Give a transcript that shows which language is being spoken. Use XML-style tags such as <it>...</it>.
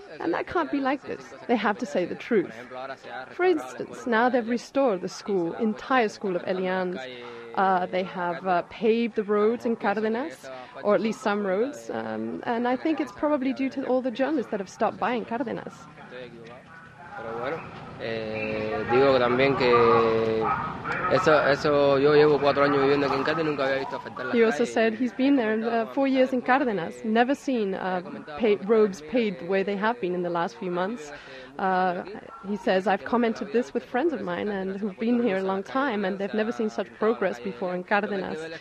<en>And that can't be like this. They have to say the truth. For instance, now they've restored the school, entire school of Elian's. They have paved the roads in Cárdenas, or at least some roads. And I think it's probably due to all the journalists that have stopped by in Cárdenas.</en> <es>Digo también que eso yo llevo 4 años viviendo aquí en Cárdenas, nunca había visto afectar la calle.</es> <en>He also said he's been there 4 years in Cárdenas, never seen roads paved the way they have been in the last few months. He says, I've commented this with friends of mine and who've been here a long time and they've never seen such progress before in Cárdenas.</en>